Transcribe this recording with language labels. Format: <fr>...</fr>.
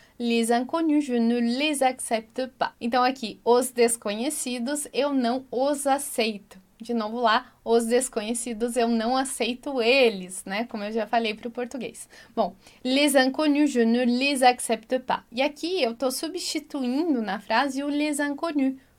<fr>Les inconnus, je ne les accepte pas.</fr> <pt>Então aqui, os desconhecidos, eu não os aceito. De novo lá, os desconhecidos, eu não aceito eles, né? Como eu já falei para o português.</pt> <fr>Bom, les inconnus, je ne les accepte pas.</fr> <pt>E aqui eu estou substituindo na frase o les inconnus.</pt>